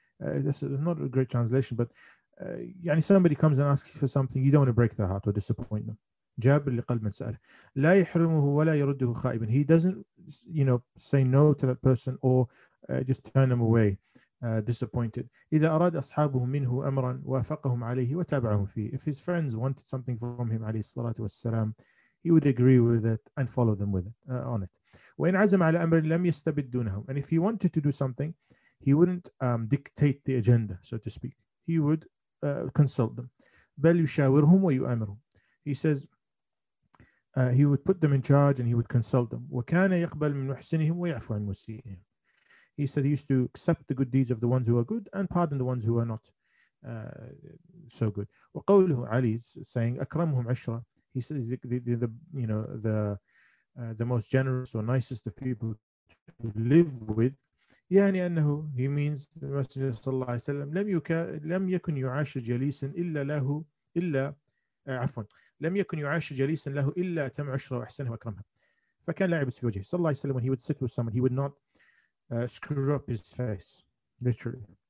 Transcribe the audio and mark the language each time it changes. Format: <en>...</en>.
<en>This is not a great translation, but somebody comes and asks for something, you don't want to break their heart or disappoint them.</en> <ar>جَابِرْ لِقَلْبٍ سَأَلَهِ لَا يَحْرُمُهُ وَلَا يَرُدُّهُ خَائِبًا</ar> <en>He doesn't, say no to that person or just turn them away disappointed.</en> <ar>إِذَا أَرَادَ أَصْحَابُهُ مِنْهُ أَمْرًا وَافَقَهُمْ عَلَيْهِ وَتَابَعَهُمْ فِيهِ</ar> <en>If his friends wanted something from him,</en> <ar>عليه الصلاة والسلام,</ar> <en>he would agree with it and follow them with it, on it.</en> <ar>وَإِنْ عَزَمَ عَلَى أَمْرٍ لَمْ يَسْتَبِدْ دُونَهُمْ.</ar> <en>And if he wanted to do something, he wouldn't dictate the agenda, so to speak. He would consult them.</en> <ar>بَلْ يُشَاوِرْهُمْ وَيُؤَمِرُهُمْ.</ar> <en>He says, he would put them in charge and he would consult them.</en> <ar>وَكَانَ يَقْبَلْ مِنْ مُحْسِنِهِمْ وَيَعْفُ عَنْ مُسِيئِهِمْ.</ar> <en>He said he used to accept the good deeds of the ones who are good and pardon the ones who are not so good.</en> <ar>وَقَوْلُهُ عَلِي</ar> <en>saying,</en> <ar>أَكْرَمْهُمْ عَشْرًا.</ar> <en>He says the most generous or nicest of people to live with.</en> <ar>يعني أنه,</ar> <en>he means the Messenger</en> <ar>صلى الله عليه وسلم لم يكن يعاش جليسا إلا له إلا عفوا لم يكن يعاش جليسا له إلا تم عشرة وأحسنه وأكرمها. فكان لا يبس في وجهه</ar> <en>صلى الله عليه وسلم. When he would sit with someone, he would not screw up his face literally.</en>